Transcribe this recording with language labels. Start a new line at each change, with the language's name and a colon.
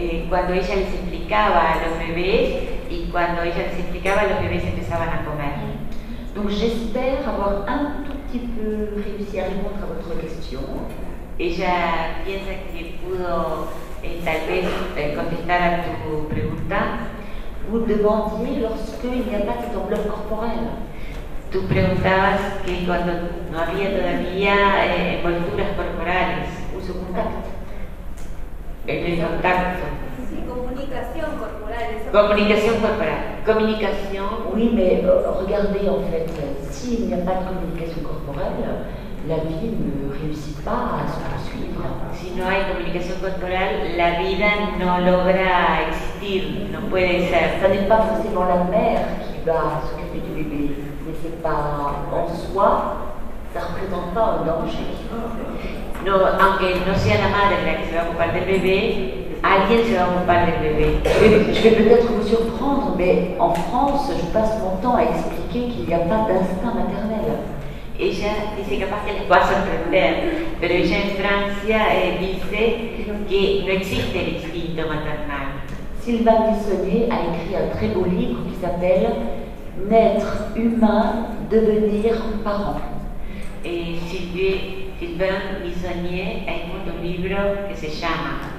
Spanish: Quand ella les explicaba à los bébés, y cuando ella les explicaba, los bebés empezaban a comer.
French: Donc j'espère avoir un tout petit peu réussi à répondre à votre question.
Spanish: Ella piensa que pudo tal vez contestar a tu pregunta.
French: Vous demandiez lorsque il n'y a pas cette enveloppe corporelle.
Spanish: Tu preguntabas que cuando no había todavía envolturas corporales. Uso contacto. En el contacto. Comunicación corporal. Comunicación corporal. Comunicación.
French: Oui, mais regardez, en fait, s'il n'y a pas de
Spanish: comunicación corporal,
French: la vie ne réussit pas à se poursuivre.
Spanish: Si no hay comunicación corporal, la vida no logra existir, no puede ser.
French: Ça n'est pas forcément la mère qui va s'occuper du bébé, mais c'est pas en soi, ça ne représente pas un danger.
Spanish: No, aunque no sea la madre la que se va a ocupar del bébé, alguien se va a ocupar del bebé.
French: Je vais peut-être vous surprendre, mais en France, je passe mon temps à expliquer qu'il n'y a pas d'instinct maternel.
Spanish: Ella dice capaz que les va a sorprender, pero ella en Francia dice que no existe el instinto maternal.
French: Sylvain Tissonnier a écrit un très beau livre qui s'appelle « Naître humain, devenir parent ». Sylvain Tissonnier a écrit un livre qui
Spanish: se llama